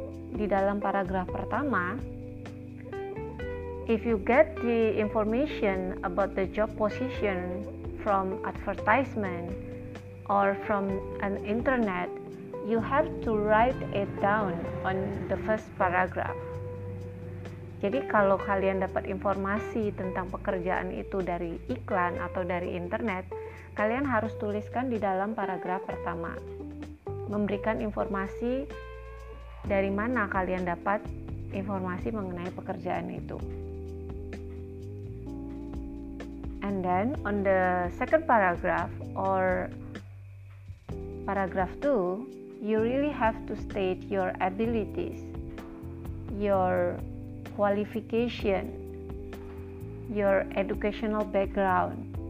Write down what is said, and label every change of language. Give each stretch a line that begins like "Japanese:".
Indonesian: Di dalam paragraf pertama,
English: If you get the information about the job position from advertisement or from an internet, you have to write it down on the first paragraph.
Indonesian: Jadi kalau kalian dapat informasi tentang pekerjaan itu dari iklan atau dari internet, kalian harus tuliskan di dalam paragraf pertama. Memberikan informasi dari mana kalian dapat informasi mengenai pekerjaan itu.
English: And then on the second paragraph or paragraph 2, you really have to state your abilities, your qualification, your educational background.